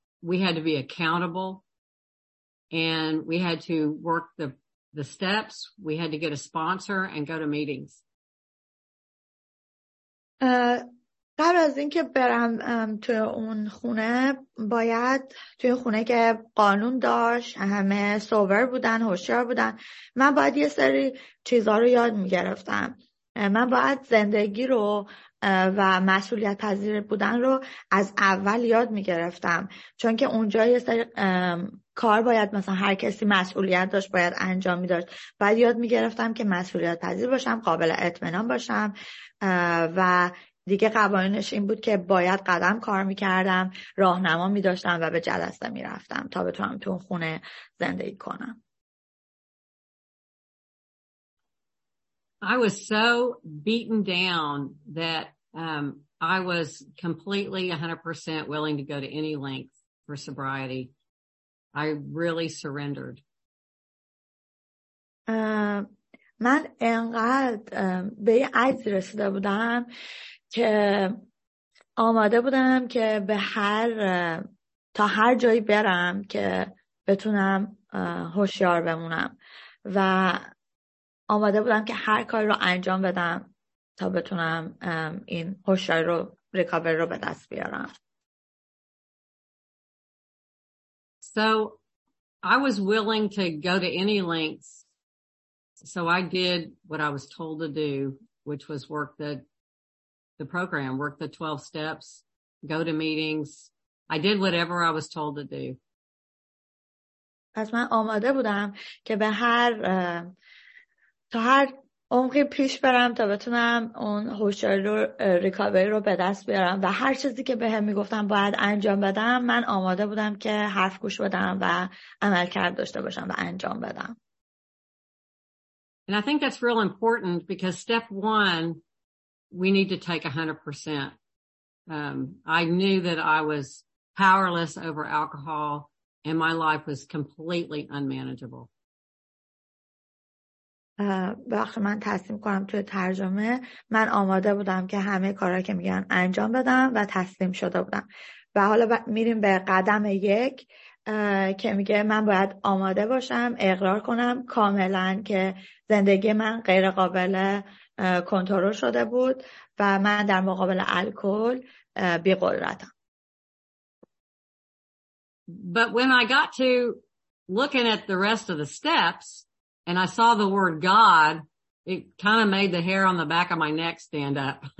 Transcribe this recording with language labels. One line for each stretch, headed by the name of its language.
English: We had to be accountable, and we had to work the steps. We had to get a sponsor and go to meetings.
Persian: قبل از این که برم توی اون خونه، باید توی خونه که قانون داشت، همه سوبر بودن، هوشیار بودن، من باید یه سری چیزها رو یاد میگرفتم. من باید زندگی رو و مسئولیت پذیر بودن رو از اول یاد میگرفتم، چون که اونجا یه سری کار باید، مثلا هر کسی مسئولیت داشت باید انجام میداشت، باید یاد میگرفتم که مسئولیت پذیر باشم، قابل اطمینان باشم. و دیگه قوانینش این بود که باید قدم کار میکردم، راهنما میداشتم و به جلسه میرفتم تا بتونم تو خونه زندگی کنم.
English: I was so beaten down that I was completely 100% willing to go to any length for sobriety. I really surrendered.
Persian: من انقدر به عجز رسیده بودم که آماده بودم که به هر تا هر جایی برم که بتونم هوشیار بمونم و آماده بودم که هر کار رو انجام بدم تا بتونم این هوشیاری رو، ریکاور رو به دست بیارم.
English: So I was willing to go to any lengths. So I did what I was told to do, which was work the program, work the 12 steps, go to meetings. I did whatever I was told to do.
Persian: پس من آماده بودم که به هر تا هر عمقی پیش برم تا بتونم اون هوشیاری رو، ریکاوری رو به دست بیارم و هر چیزی که بهم میگفتن باید انجام بدم، من آماده بودم که حرف گوش بدم و عمل کرد داشته باشم و انجام بدم.
English: And I think that's real important because step one, we need to take 100%. I knew that I was powerless over alcohol and my life was completely unmanageable.
Persian: وقتی من تسلیم کنم توی ترجمه، من آماده بودم که همه کارهایی که میگن انجام بدم و تسلیم شده بودم. و حالا میریم به قدم یک که میگه من باید آماده باشم، اقرار کنم کاملا که زندگی من غیر قابل کنترل شده بود و من در مقابل الکل بی‌قدرتم.
English: But when I got to looking at the rest of the steps and I saw the word God, it kind of made the hair on the back of my neck stand up.